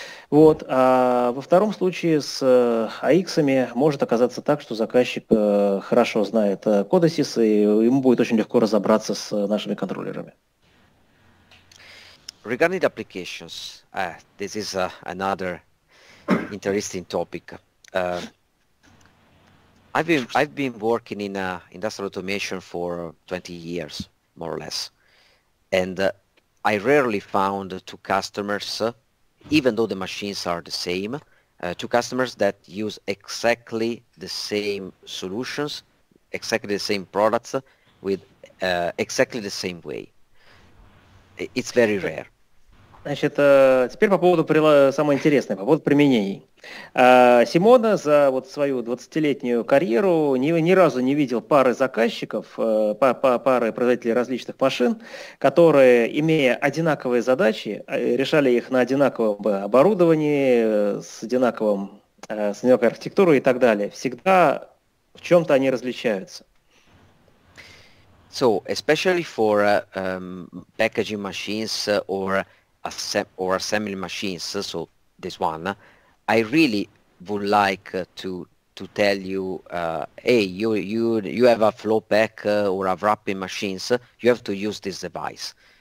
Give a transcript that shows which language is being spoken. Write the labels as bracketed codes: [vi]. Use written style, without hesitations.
[ru] Вот, а во втором случае с AX-ами может оказаться так, что заказчик хорошо знает CODESYS, и ему будет очень легко разобраться с нашими контроллерами. [en] Regarding the applications, this is another interesting topic. I've been working in industrial automation for 20 years, more or less, and I rarely found two customers, even though the machines are the same, two customers that use exactly the same solutions, exactly the same products, with exactly the same way. It's very rare. [ru] Значит, теперь по поводу самое интересное, по поводу применений. Симона за вот свою 20-летнюю карьеру ни разу не видел пары заказчиков, пары производителей различных машин, которые, имея одинаковые задачи, решали их на одинаковом оборудовании, с одинаковой архитектурой и так далее. Всегда в чем-то они различаются. [en] So, especially for packaging machines or assembly machines, so this one, I really would like to tell you, hey, you have a flow pack or a wrapping machines, you have to use this device.